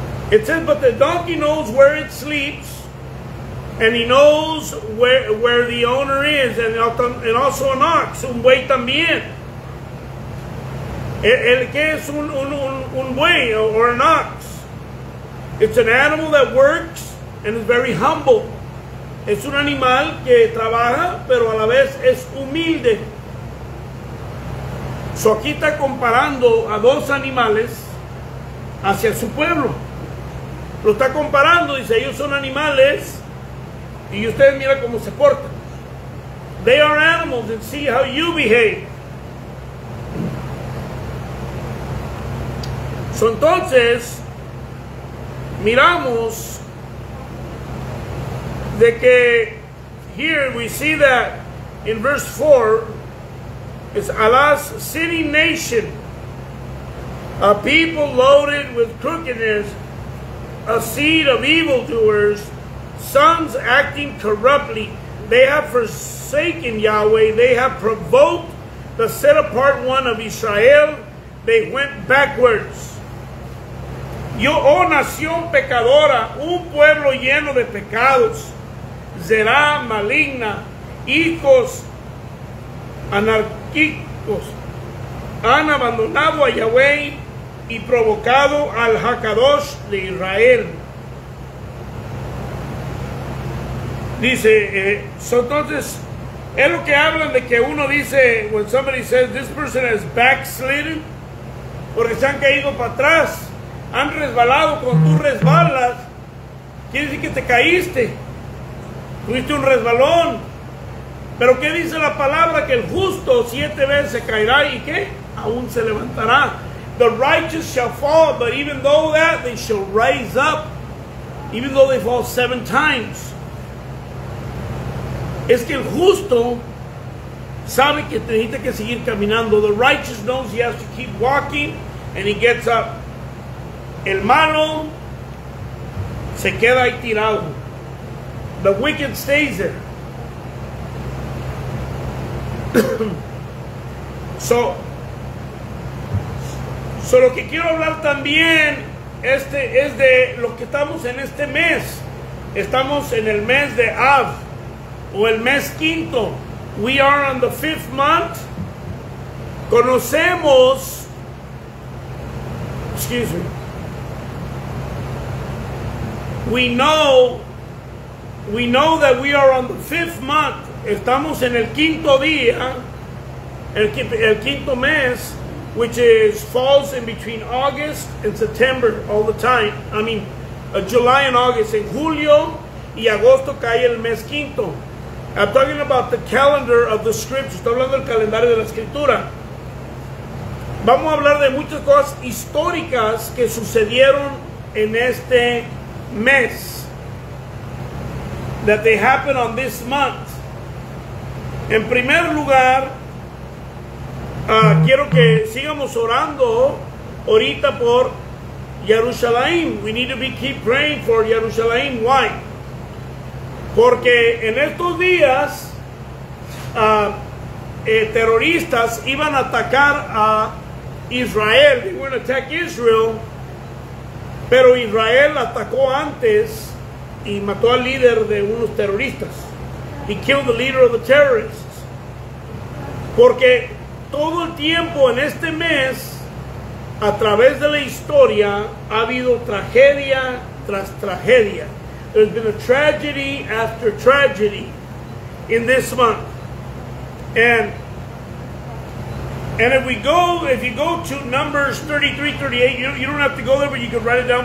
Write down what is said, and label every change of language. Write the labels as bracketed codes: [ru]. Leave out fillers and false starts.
[en] It says, but the donkey knows where it sleeps, and he knows where the owner is, and also an ox, [es] un buey también. El que es un buey [en] or an ox? It's an animal that works and is very humble. [es] Es un animal que trabaja, pero a la vez es humilde. So aquí está comparando a dos animales hacia su pueblo. Lo está comparando, dice, ellos son animales y ustedes mira cómo se portan. [en] They are animals and see how you behave. So [es] entonces, miramos de que [en] here we see that in verse 4 it's alas, sinning nation, a people loaded with crookedness, a seed of evildoers, sons acting corruptly. They have forsaken Yahweh. They have provoked the set apart one of Israel. They went backwards. [es] Yo, oh nación pecadora, un pueblo lleno de pecados, será maligna, hijos anárquicos, han abandonado a Yahweh y provocado al Hakadosh de Israel. Dice, entonces, es lo que hablan de que uno dice, [en] when somebody says, this person has backslidden, [es] porque se han caído para atrás, han resbalado, cuando tú resbalas, quiere decir que te caíste, tuviste un resbalón. Pero ¿qué dice la palabra? Que el justo siete veces se caerá y ¿qué? Aún se levantará. [en] The righteous shall fall, but even though that, they shall rise up, even though they fall seven times. [es] Es que el justo sabe que necesita que seguir caminando. [en] The righteous knows he has to keep walking and he gets up. [es] El malo se queda ahí tirado. [en] The wicked stays there. [es] So lo que quiero hablar también es de lo que estamos en este mes. Estamos en el mes de Av, o el mes quinto. [en] We are on the fifth month. [es] Conocemos, [en] excuse me, we know that we are on the fifth month. [es] Estamos en el quinto día, el quinto mes, [en] which is falls in between August and September all the time. I mean, July and August. [es] En julio y agosto cae el mes quinto. [en] I'm talking about the calendar of the scripture. [es] Estoy hablando del calendario de la escritura. Vamos a hablar de muchas cosas históricas que sucedieron en este mes. [en] That they happened on this month. [es] En primer lugar, quiero que sigamos orando ahorita por Jerusalén. [en] We need to be keep praying for Jerusalén. Why? [es] Porque en estos días terroristas iban a atacar a Israel. [en] They were going to attack Israel, [es] pero Israel atacó antes y mató al líder de unos terroristas. [en] He killed the leader of the terrorists. [es] Porque todo el tiempo en este mes, a través de la historia, ha habido tragedia tras tragedia. [en] There's been a tragedy after tragedy in this month. And if you go to Numbers 33-38, you don't have to go there, but you can write it down.